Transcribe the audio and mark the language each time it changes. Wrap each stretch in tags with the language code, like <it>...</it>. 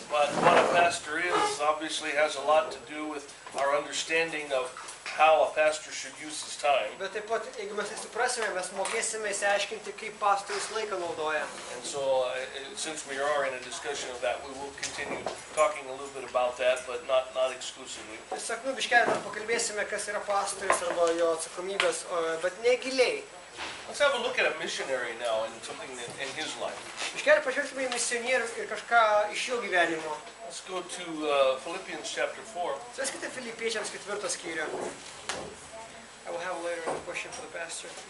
<en>But what a pastor is obviously has a lot to do with our understanding of how a pastor should use his time.</en> <lt>Bet taip pat, jeigu mes suprasime, mes mokėsime išsiaiškinti, kaip pastorius laiką naudoja.</lt> <en>And so, since we are in a discussion of that, we will continue talking a little bit about that, but not exclusively.</en> <lt>Tiesiog, nu, biškelį dar pakalbėsime, kas yra pastorius arba jo atsakomybės, bet negiliai.</lt> <en>Let's have a look at a missionary now and something that, in his life.</en> <lt>Biškelį pažiūrėkime į misionierių ir kažką iš jo gyvenimo.</lt> <en>Let's go to Philippians chapter 4.</en> <lt>Sveskite Filipiečiams ketvirtą skyrių.</lt> <en>I will have later a question for the pastor.</en>